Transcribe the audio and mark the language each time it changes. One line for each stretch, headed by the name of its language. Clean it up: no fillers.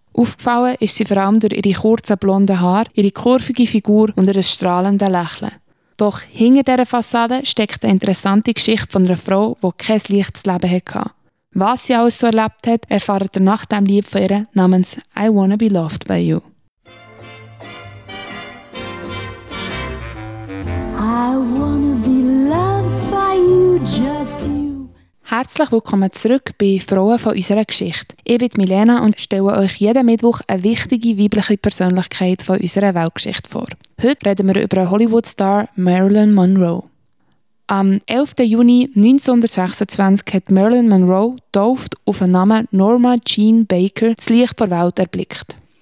German: Aufgefallen ist sie vor allem durch ihre kurzen blonden Haare, ihre kurvige Figur und ihr strahlendes Lächeln. Doch hinter dieser Fassade steckt eine interessante Geschichte von einer Frau, die kein leichtes Leben hatte. Was sie alles so erlebt hat, erfahrt ihr nach dem Lied von ihr namens «I Wanna Be Loved By You».
English: I wanna be loved by you, just you.
German: Herzlich willkommen zurück bei «Frauen von unserer Geschichte». Ich bin Milena und stelle euch jeden Mittwoch eine wichtige weibliche Persönlichkeit von unserer Weltgeschichte vor. Heute reden wir über Hollywood-Star Marilyn Monroe. Am 11. Juni 1926 hat Marilyn Monroe, getauft auf den Namen Norma Jean Baker, das Licht der Welt erblickt.